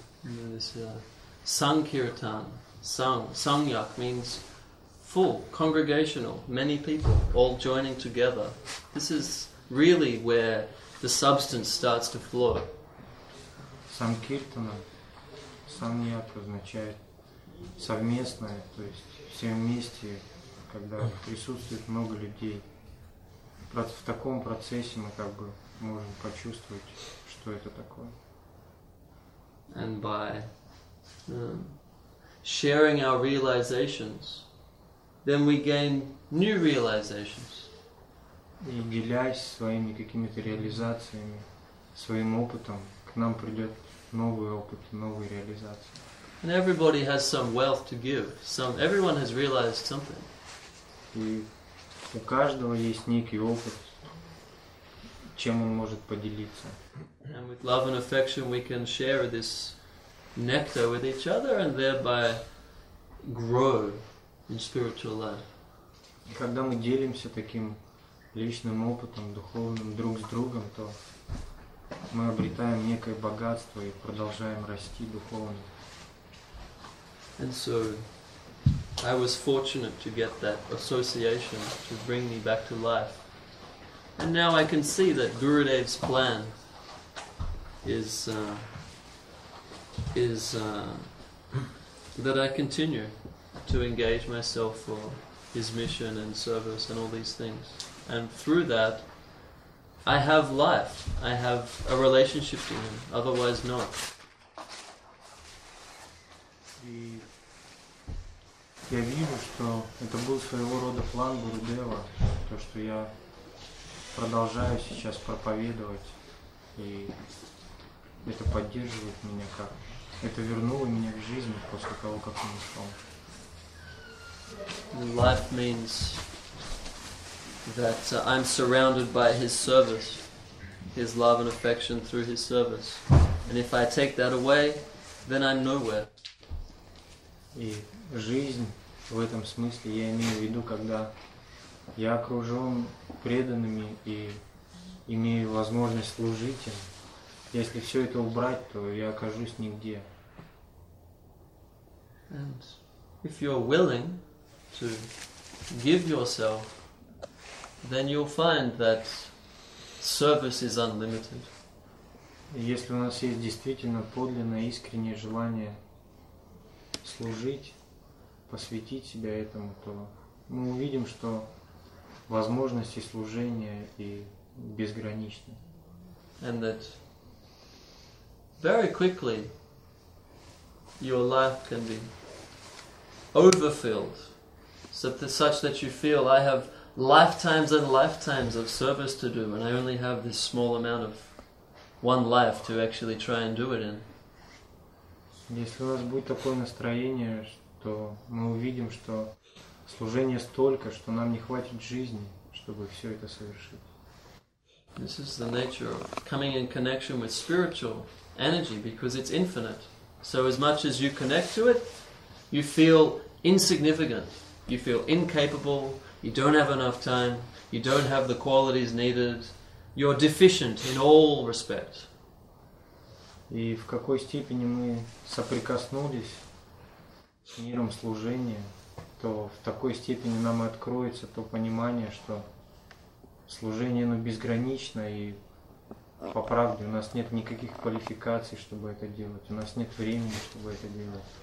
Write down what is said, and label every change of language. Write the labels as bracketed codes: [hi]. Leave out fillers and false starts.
[en] This sankirtan, sangyak means full, congregational, many people all joining together. This is really where the substance starts to flow. [ru] Sankirtana, sangyak означает совместное, то есть все вместе, когда присутствует много людей. В таком процессе мы как бы можем почувствовать, что это такое. [en] And by sharing our realizations, then we gain new realizations. [ru] И делясь своими какими-то реализациями, своим опытом, к нам придет новый опыт, новые реализации. [en] And everybody has some wealth to give. Everyone has realized something. [ru] И у каждого есть некий опыт, чем он может поделиться. [en] And with love and affection we can share this nectar with each other and thereby grow in spiritual life. [ru] И когда мы делимся таким личным опытом, духовным, друг с другом, то мы обретаем некое богатство и продолжаем расти духовно. [en] And so I was fortunate to get that association to bring me back to life. And now I can see that Gurudev's plan is that I continue to engage myself for his mission and service and all these things. And through that, I have life. I have a relationship to him, otherwise not. [ru] Я вижу, что это был своего рода план Гурудева, то, что я продолжаю сейчас проповедовать, и это поддерживает меня как... Это вернуло меня к жизни после того, как он ушел. [en] Life means that I'm surrounded by his service, his love and affection through his service. And if I take that away, then I'm nowhere. [ru] И жизнь... В этом смысле я имею в виду, когда я окружен преданными и имею возможность служить им. Если все это убрать, то я окажусь нигде. [en] And if you're willing to give yourself, then you'll find that service is unlimited. [ru] Если у нас есть действительно подлинное искреннее желание служить, посвятить себя этому, то мы увидим, что возможности служения и безграничны. [en] And that very quickly your life can be overfilled such that you feel I have lifetimes and lifetimes of service to do and I only have this small amount of one life to actually try and do it in. [ru] Если у вас будет такое настроение, то мы увидим, что служение столько, что нам не хватит жизни, чтобы все это совершить. [en] This is the nature of coming in connection with spiritual energy, because it's infinite. So as much as you connect to it, you feel insignificant, you feel incapable, you don't have enough time, you don't have the qualities needed, you're deficient in all respects. [ru] И в какой степени мы соприкоснулись с миром служения, то в такой степени нам и откроется то понимание, что служение, оно безгранично, и по правде у нас нет никаких квалификаций, чтобы это делать, у нас нет времени, чтобы это делать.